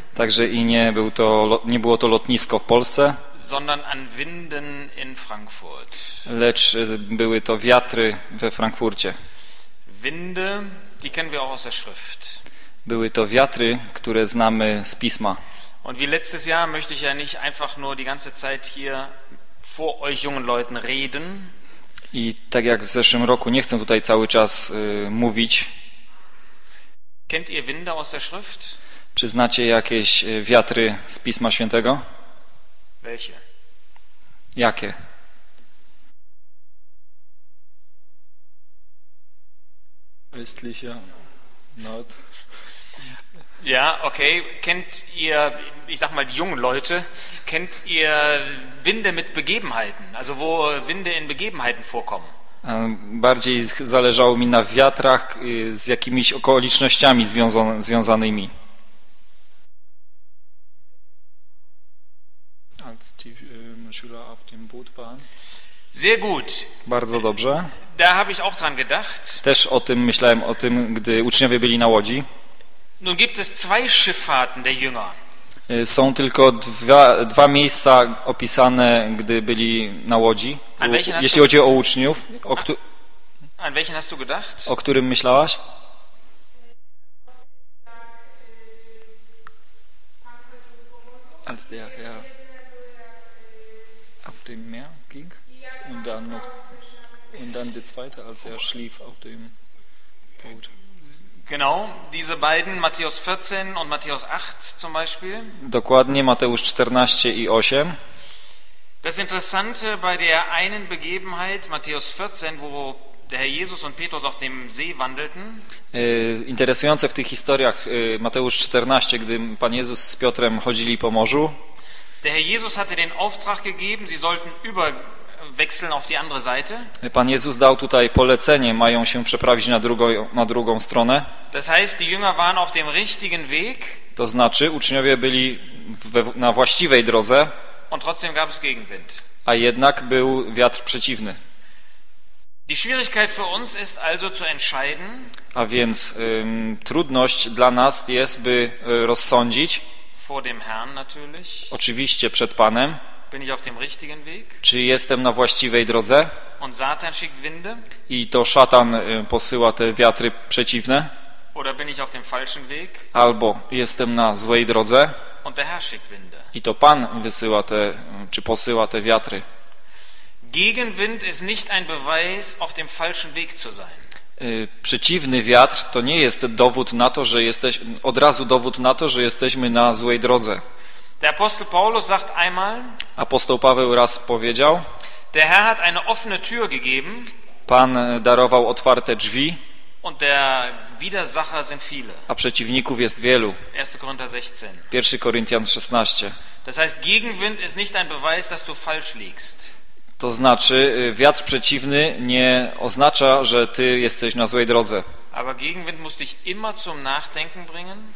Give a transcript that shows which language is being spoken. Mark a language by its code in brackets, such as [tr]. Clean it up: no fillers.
[pl] Także i nie było to lotnisko w Polsce. [de] Sondern an Winden in Frankfurt. [pl] Lecz były to wiatry we Frankfurcie. [de] Winde, die kennen wir auch aus der Schrift. [pl] Były to wiatry, które znamy z pisma. [de] Und wie letztes Jahr möchte ich ja nicht einfach nur die ganze Zeit hier vor euch jungen Leuten reden. [pl] I tak jak w zeszłym roku nie chcę tutaj cały czas mówić. [de] Kennt ihr Winde aus der Schrift? [pl] Czy znacie jakieś wiatry z Pisma Świętego? [de] Welche? [pl] Jakie? [de] Östlicher Nord. Ja, okay. Kennt ihr, ich sag mal die jungen Leute, kennt ihr Winde mit Begebenheiten? Also wo Winde in Begebenheiten vorkommen? [pl] Bardziej zależało mi na wiatrach z jakimiś okolicznościami związanymi. [de] Als die Schüler auf dem Boot waren. Sehr gut. [pl] Bardzo dobrze. [de] Da habe ich auch dran gedacht. [pl] Też o tym myślałem, o tym, gdy uczniowie byli na łodzi. [de] Nun gibt es zwei Schifffahrten der Jünger. [pl] Są tylko dwa miejsca opisane, gdy byli na łodzi. Jeśli chodzi o uczniów, [de] an welchen hast du gedacht? [pl] O którym myślałaś? [de] Als der Herr auf dem Meer ging und dann noch und dann der zweite, als er schlief auf dem Boot. Genau, diese beiden, Matthäus 14 und Matthäus 8 zum Beispiel. [pl] Dokładnie, Mateusz 14 i 8. [de] Das Interessante bei der einen Begebenheit, Matthäus 14, wo der Herr Jesus und Petrus auf dem See wandelten. [pl] Interesujące w tych historiach, Mateusz 14, gdy Pan Jezus z Piotrem chodzili po morzu. [de] Der Herr Jesus hatte den Auftrag gegeben, sie sollten wechseln auf die andere Seite. [pl] Pan Jezus dał tutaj polecenie, mają się przeprawić na drugą stronę. [de] Das heißt, die Jünger waren auf dem richtigen Weg. [pl] To znaczy, uczniowie byli na właściwej drodze. [de] Und trotzdem gab es Gegenwind. [pl] A jednak był wiatr przeciwny. [de] Die Schwierigkeit für uns ist also zu entscheiden. [pl] A więc trudność dla nas jest, by rozsądzić. [de] Vor dem Herrn natürlich. [pl] Oczywiście przed Panem. [de] Bin ich auf dem richtigen Weg? [pl] Czy jestem na właściwej drodze? [de] Und Satan schickt Winde? [pl] I to szatan posyła te wiatry przeciwne? [de] Oder bin ich auf dem falschen Weg? [pl] Albo jestem na złej drodze? [de] Und der Herr schickt Winde. [pl] I to Pan wysyła te, czy posyła te wiatry? [de] Gegenwind ist nicht ein Beweis, auf dem falschen Weg zu sein. [pl] Przeciwny wiatr to nie jest dowód na to, że jesteś od razu dowód na to, że jesteśmy na złej drodze. [de] Der Apostel Paulus sagt einmal. [pl] Apostoł Paweł raz powiedział. [de] Der Herr hat eine offene Tür gegeben. [pl] Pan darował otwarte drzwi. [de] Und der Widersacher sind viele. [pl] A przeciwników jest wielu. [de] 1 Korinthian 16. Das heißt, Gegenwind ist nicht ein Beweis, dass du falsch liegst. [pl] To znaczy, wiatr przeciwny nie oznacza, że ty jesteś na złej drodze. [de] Aber Gegenwind muss dich immer zum Nachdenken bringen.